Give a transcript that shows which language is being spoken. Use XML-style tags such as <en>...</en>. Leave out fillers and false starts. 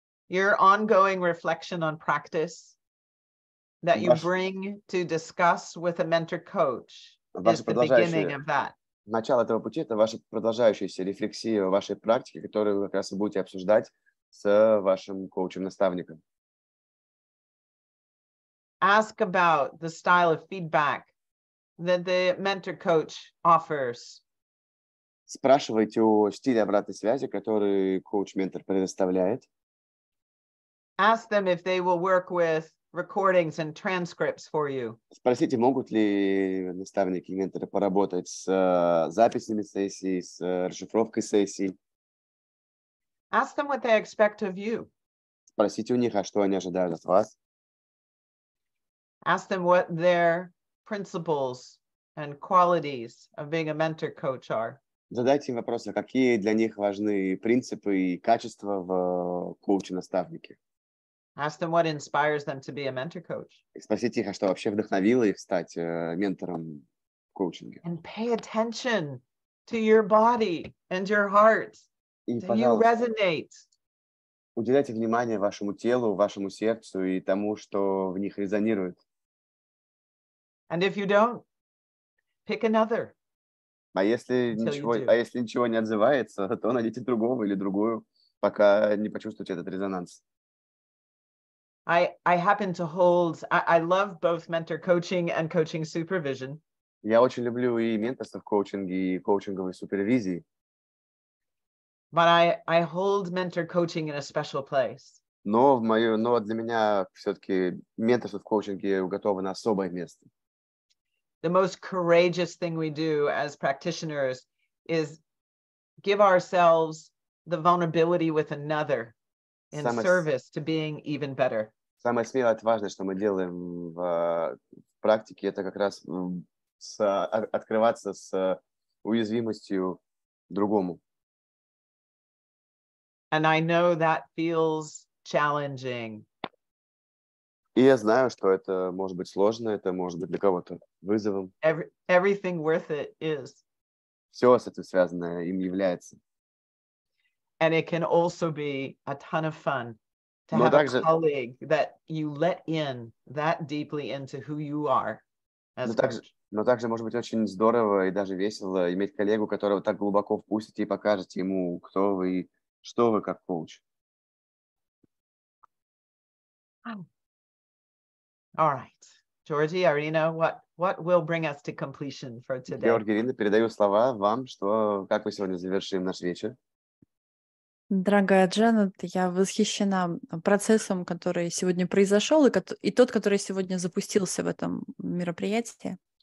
<en>Your ongoing reflection on practice that you bring to discuss with a mentor coach is the beginning of that.</en> <ru>Начало этого пути – это ваша продолжающаяся рефлексия вашей практики, которую вы как раз и будете обсуждать с вашим коучем-наставником.</ru> <en>Ask about the style of feedback that the mentor coach offers.</en> <ru>Спрашивайте о стиле обратной связи, который коуч-ментор предоставляет.</ru> <en>Ask them if they will work with recordings and transcripts for you.</en> <ru>Спросите, могут ли наставники и менторы поработать с записями сессии, с расшифровкой сессии.</ru> <en>Ask them what they expect of you.</en> <ru>Спросите у них, а что они ожидают от вас.</ru> <en>Ask them what their principles and qualities of being a mentor coach are.</en> <ru>Задайте им вопрос, а какие для них важны принципы и качества в коуче-наставнике.</ru> <en>Ask them what inspires them to be a mentor coach.</en> <ru>Спросите их, а что вообще вдохновило их стать ментором в коучинге.</ru> <en>And pay attention to your body and your heart. Do you resonate?</en> <ru>уделяйте внимание вашему телу, вашему сердцу и тому, что в них резонирует.</ru> <en>And if you don't, pick another.</en> <ru>А если ничего не отзывается, то найдите другого или другую, пока не почувствуете этот резонанс.</ru> <en>I love both mentor coaching and coaching supervision.</en> <ru>Я очень люблю и менторство в коучинге, и коучинговой супервизии.</ru> <en>But I hold mentor coaching in a special place.</en> <ru>Но для меня все-таки менторство в коучинге уготовано особое место.</ru> <en>The most courageous thing we do as practitioners is give ourselves the vulnerability with another in service to being even better.</en> <ru>Самое смелое и отважное, что мы делаем в практике, это как раз открываться с уязвимостью другому.</ru> <en>And I know that feels challenging.</en> <ru>И я знаю, что это может быть сложно, это может быть для кого-то вызовом.</ru> <en>Everything worth it is.</en> <ru>Все с этим связанное им является.</ru> <en>And it can also be a ton of fun to have a colleague that you let in that deeply into who you are as a coach.</en> <ru>Но также может быть очень здорово и даже весело иметь коллегу, которого так глубоко впустите и покажете ему, кто вы и что вы как коуч.</ru> <en>All right. Georgie, Арина, what will bring us to completion for today?</en> <ru>Георгий, Арина, передаю слова вам, как мы сегодня завершим наш вечер. Дорогая Джанет, я восхищена процессом, который сегодня произошел, и тот, который сегодня запустился в этом мероприятии.</ru>